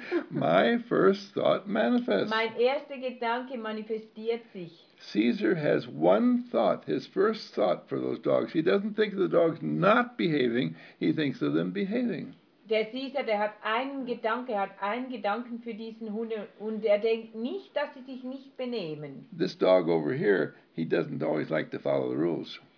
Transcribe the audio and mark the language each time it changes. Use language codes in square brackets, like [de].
[en] My first thought manifests. [de] Mein erster Gedanke manifestiert sich. [en] Caesar has one thought, his first thought for those dogs. He doesn't think of the dogs not behaving, he thinks of them behaving. [de] Der Caesar, der hat einen Gedanke, hat einen Gedanken für diesen Hunde und er denkt nicht, dass sie sich nicht benehmen. [en] This dog over here, he doesn't always like to follow the rules.